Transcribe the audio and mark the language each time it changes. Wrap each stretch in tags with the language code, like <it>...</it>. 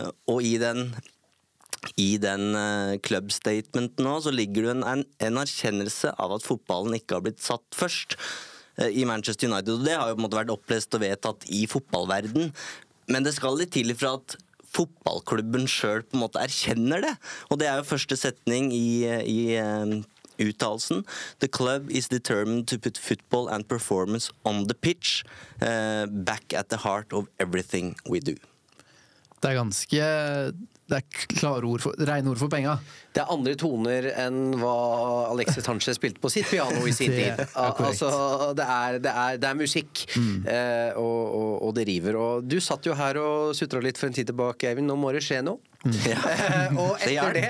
<no>Og i den klubbstatementen nå, så ligger det en erkjennelse av at fotballen ikke har blitt satt først i Manchester United, og det har jo på en måte vært opplest og vedtatt i fotballverden. Men det skal litt til for at fotballklubben selv på en måte erkjenner det, og det er jo første setning i uttalelsen.</no> <en>The club is determined to put football and performance on the pitch, back at the heart of everything we do.</en> <no>Det er ganske... Det er klare ord for, rene ord for penger. Det er andre toner enn hva Alexis Sanchez spilte på sitt piano i sin tid. Det er musikk, og det river. Og du satt jo her og sutret litt for en tid tilbake, Eivind. Nå må det skje noe. Og etter det</no>